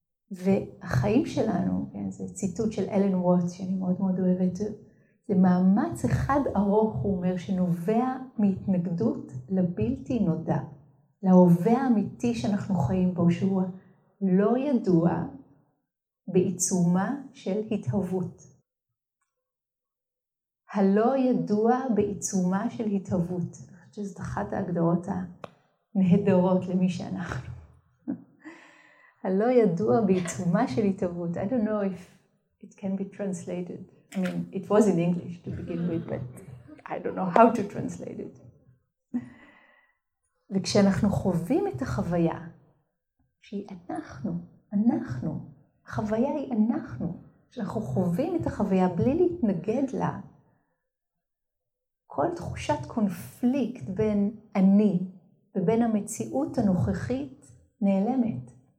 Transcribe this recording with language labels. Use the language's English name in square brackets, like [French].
[Hebrew] והחיים שלנו, כן, זה ציטוט של אלן וואטס שאני מאוד מאוד אוהבת, זה מאמץ אחד ארוך, הוא אומר, שנובע מהתנגדות לבלתי נודע, להווה האמיתי שאנחנו חיים בו, שהוא לא ידוע בעיצומה של התהוות. הלא ידוע בעיצומה של התהוות. אני חושבת שזאת אחת ההגדרות הנהדרות למי שאנחנו. הלא ידוע בעיצומה של התהוות. [English] I don't know if it can be translated. I mean, it was in English to begin with, but I don't know how to translate it. [Hebrew] וכשאנחנו חווים את החוויה, שהיא אנחנו, אנחנו, החוויה היא אנחנו, כשאנחנו חווים את החוויה בלי להתנגד לה, כל תחושת קונפליקט בין אני ובין המציאות הנוכחית נעלמת.